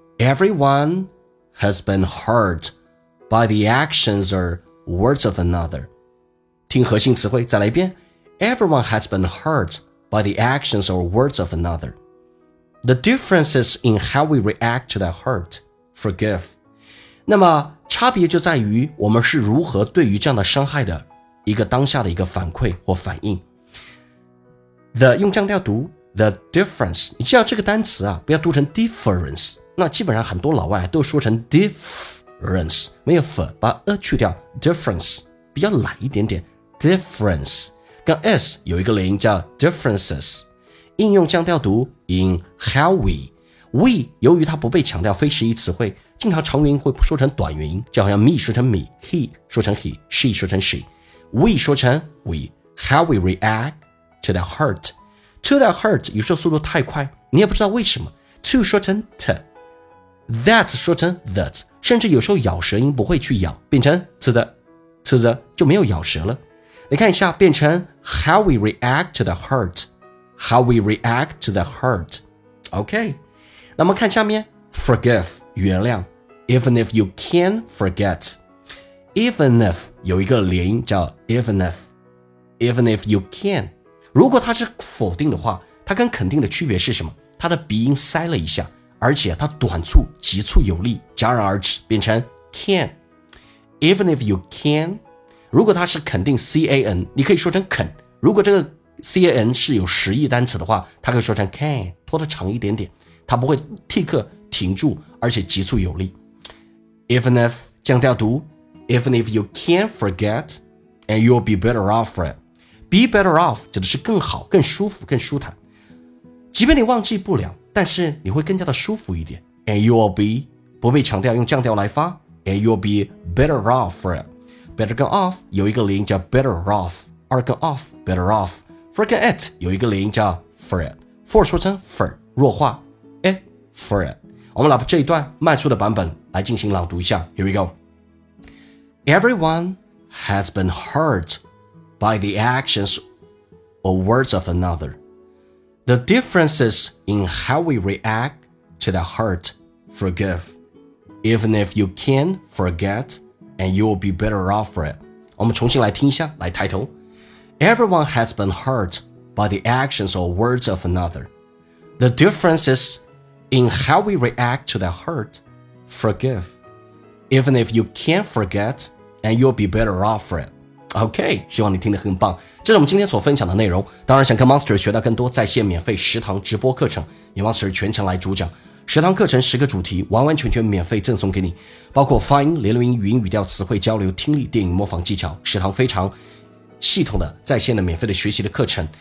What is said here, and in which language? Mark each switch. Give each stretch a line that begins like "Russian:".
English: Everyone has been hurt by the actions or words of another.
Chinese: 听核心词汇再来一遍。
English: Everyone has been hurt by the actions or words of another. The difference is in how we react to that hurt. Forgive.
Chinese: 那么差别就在于我们是如何对于这样的伤害的一个当下的一个反馈或反应。 The 用降调读 The difference， 你记住这个单词啊，不要读成 difference， 那基本上很多老外都说成 difference， 没有 f 把 a 去掉， difference 比较懒一点点， difference 跟 s 有一个连音叫 differences。应用降调读 in how we 由于它不被强调非实义词汇，经常长元音会说成短元音，就好像 me 说成 me， he 说成 he， she 说成 sheWe 说成 we，
English: how we react to that hurt，
Chinese: to that hurt 有时候速度太快，你也不知道为什么， to 说成 t， that 说成 that， 甚至有时候咬舌音不会去咬，变成 to the， to the 就没有咬舌了。你看一下，变成
English: how we react to the hurt， how we react to the hurt， OK。
Chinese: 那么看下面 forgive 原谅，
English: even if you can forgetEven if
Chinese: 有一个连音叫 even if you can， 如果它是否定的话，它跟肯定的区别是什么？它的鼻音塞了一下，而且它短促急促有力，戛然而止，变成 can。 Even if you can， 如果它是肯定 can， 你可以说成肯，如果这个 can 是有实义单词的话，它可以说成 can， 拖得长一点点，它不会立刻停住，而且急促有力。
English: Even if 降调读Even if you can't forget, and you'll be better off for it.
Chinese: Be better off 指的是更好、更舒服、更舒坦。即便你忘记不了，但是你会更加的舒服一点。 And you'll be 不被强调，用降调来发。
English: And you'll be better off for it. Better 跟 off 有一个连音叫 better off， 二跟 off better off， for 跟 it 有一个连音叫 for it， for 说成 for 弱化 it for it。
Chinese: 我们来把这一段慢速的版本来进行朗读一下。
English: Here we go. Everyone has been hurt by the actions or words of another. The difference is in how we react to the hurt. Forgive, even if you can forget, and you'll be better off for it.
Chinese: 我们重新来听一下，来抬头。
English: Everyone has been hurt by the actions or words of another. The difference is in how we react to the hurt. Forgive, even if you can't forget. And you'll be better off for it.
Chinese: OK， 希望你听得很棒。这是我们今天所分享的内容。当然想跟 Monster 学到更多在线免费十堂直播课程，由 Monster 全程来主讲。十堂课程十个主题完完全全免费赠送给你，包括发音、连读音、语音语调、词汇交流、听力、电影模仿技巧，十堂非常系统的在线的免费的学习的课程。